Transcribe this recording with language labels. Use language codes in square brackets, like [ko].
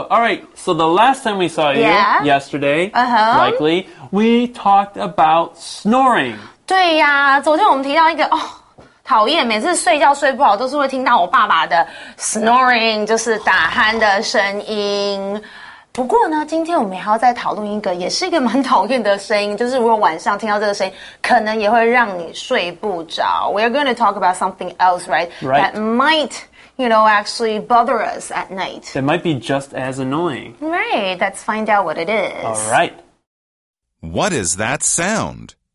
[en] Alright, so the last time we saw you, yesterday, likely, we talked about snoring. [zh] 对呀，昨天我们提到一个，哦，讨厌，每次睡觉睡不好都是会听到我爸爸的 snoring, 就是打鼾的声音。不过呢，今天我们还要再讨论一个，也是一个蛮讨厌的声音，就是如果晚上听到这个声音，可能也会让你睡不着。 [en] We are going to talk about something else, right? Right. That might, you know, actually bother us at night. It might be just as annoying. Right. Let's find out what it is. All right. What is that sound?